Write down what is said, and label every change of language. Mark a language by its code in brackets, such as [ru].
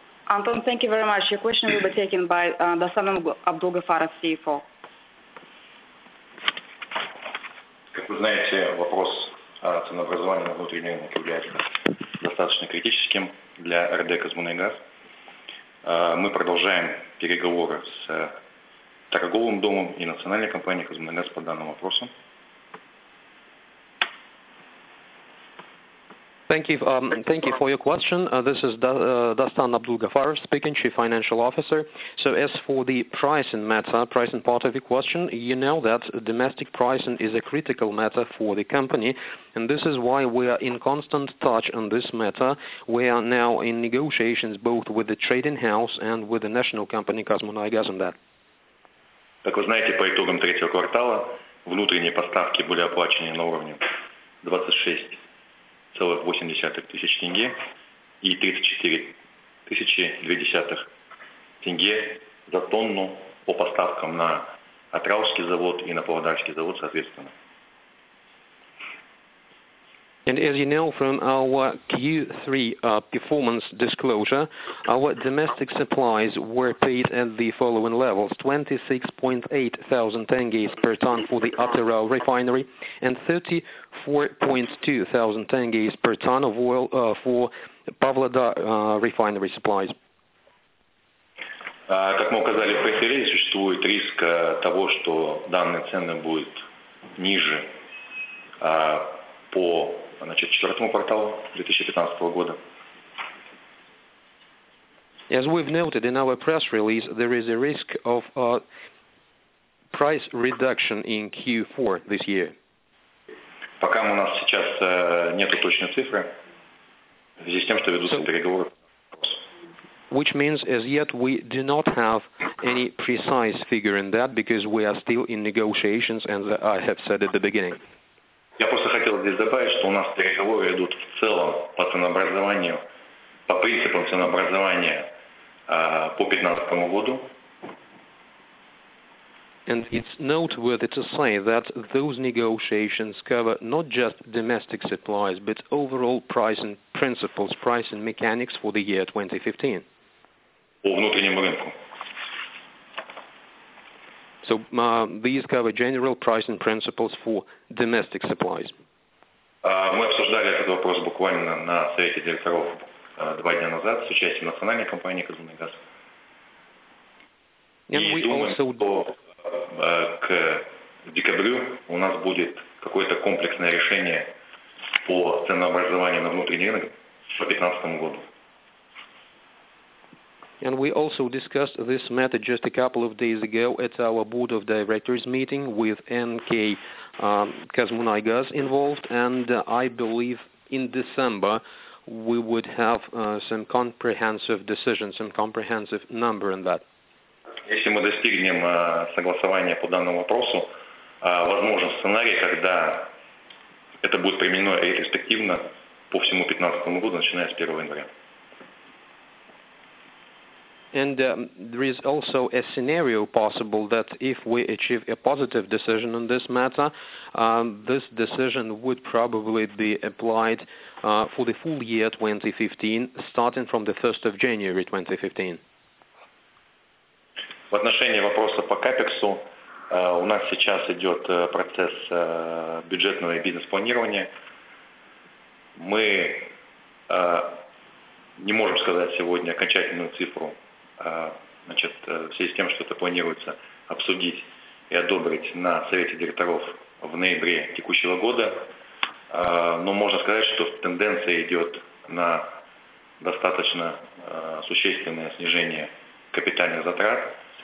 [en] Anton, thank you very much. Your question will be taken by Dasan Abdulgafarov, CFO. [ru] вы знаете, вопрос ценообразования на внутреннем рынке является достаточно критическим для РД «Казмунайгаз». Мы продолжаем переговоры с торговым домом и национальной компанией «Казмунайгаз» по данному вопросу. [en] Thank you for your question. This is Dastan Abdulgafar speaking, Chief Financial Officer. So as for the pricing matter, pricing part of your question, you know that domestic pricing is a critical matter for the company, and this is why we are in constant touch on this matter. We are now in negotiations both with the trading house and with the national company Kazmunaigaz on that. [ru] Так вы знаете, по итогам третьего квартала внутренние поставки были оплачены на уровне 26,8 тысяч тенге и 34,2 тысячи тенге за тонну по поставкам на Атрауский завод и на Павлодарский завод соответственно. [en] And as you know from our Q3 performance disclosure, our domestic supplies were paid at the following levels: 26.8 thousand tenges per ton for the Atarau refinery and 34.2 thousand tenges per ton of oil for Pavlodar refinery supplies. [ru] Как мы указали в пресс-релизе, существует риск того, что данные цены будут ниже по значит, четвертому кварталу 2015 года. [en] As we've noted in our press release, there is a risk of a price reduction in Q4 this year. [ru] Пока у нас сейчас нету точной цифры, в связи с тем, что ведутся переговоры. [en] Which means as yet we do not have any precise figure in that because we are still in negotiations, as I have said at the beginning. [ru] Я просто хотел здесь добавить, что у нас переговоры идут в целом по ценообразованию, по принципам ценообразования по 2015 году. [en] And it's noteworthy to say that those negotiations cover not just domestic supplies, but overall pricing principles, pricing mechanics for the year 2015. [ru] По внутреннему рынку. [en] So these cover general pricing principles for domestic supplies. [ru] Мы обсуждали этот вопрос буквально на совете директоров два дня назад с участием национальной компании «Казмунайгаз». [en] And [ru] и [en] we [ru] думаем, [en] also... [ru] что к декабрю у нас будет какое-то комплексное решение по ценообразованию на внутренний рынок по 2015 году. [en] And we also discussed this matter just a couple of days ago at our board of directors meeting with NK Kazmunaigaz involved, and I believe in December we would have some comprehensive decision, some comprehensive number on that. [ru] Если мы достигнем согласования по данному вопросу, возможен сценарий, когда это будет применено ретроспективно по всему 2015 году, начиная с 1 января. [en] And there is also a scenario possible that if we achieve a positive decision on this matter, this decision would probably be applied for the full year 2015, starting from the 1st of January 2015. [ru] В отношении вопроса по капексу, у нас сейчас идет процесс бюджетного и бизнес-планирования. Мы не можем сказать сегодня окончательную цифру. Значит, в связи с тем, что это планируется обсудить и одобрить на совете директоров в ноябре текущего года, но можно сказать, что тенденция идет на достаточно существенное снижение капитальных затрат.